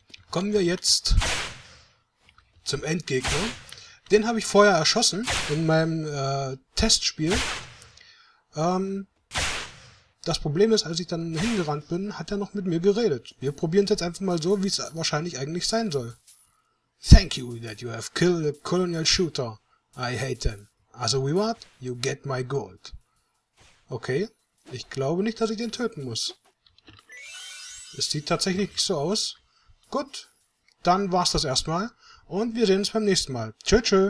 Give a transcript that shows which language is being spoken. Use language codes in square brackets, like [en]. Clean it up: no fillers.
[de] Kommen wir jetzt zum Endgegner. Den habe ich vorher erschossen in meinem Testspiel. Das Problem ist, als ich dann hingerannt bin, hat er noch mit mir geredet. Wir probieren es jetzt einfach mal so, wie es wahrscheinlich eigentlich sein soll. [en] Thank you that you have killed a colonial shooter. I hate them. As a reward, you get my gold. [de] Okay, ich glaube nicht, dass ich den töten muss. Es sieht tatsächlich nicht so aus. Gut, dann war's das erstmal und wir sehen uns beim nächsten Mal. Tschö, tschö.